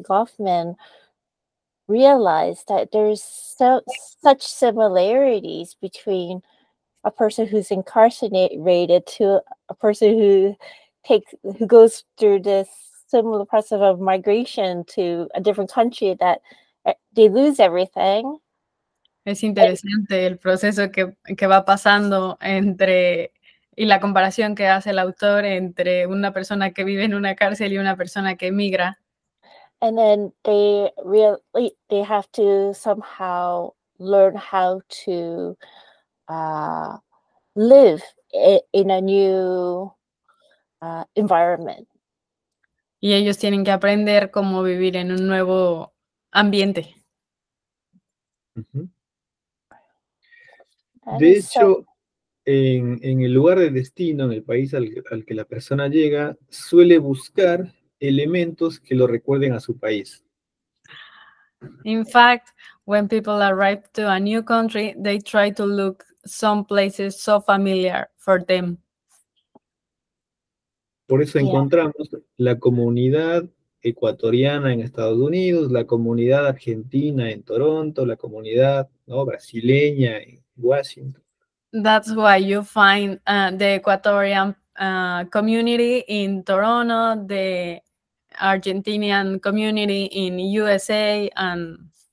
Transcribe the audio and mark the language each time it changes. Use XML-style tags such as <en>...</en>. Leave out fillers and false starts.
<en>Goffman, realized that there's such similarities between a person who's incarcerated to a person who goes through this similar process of migration to a different country, that they lose everything.</en> <es>Es interesante el proceso que va pasando entre, y la comparación que hace el autor entre una persona que vive en una cárcel y una persona que emigra.</es> <en>And then they have to somehow learn how to live in a new environment.</en> <es>Y ellos tienen que aprender cómo vivir en un nuevo ambiente. De hecho, en el lugar de destino, en el país al que la persona llega, suele buscar elementos que lo recuerden a su país.</es> <en>In fact, when people arrive to a new country, they try to look some places so familiar for them.</en> <es>Por eso encontramos la comunidad ecuatoriana en Estados Unidos, la comunidad argentina en Toronto, la comunidad brasileña en Washington.</es> <en>That's why you find the Ecuadorian community in Toronto, the Argentinian community in USA, and</en>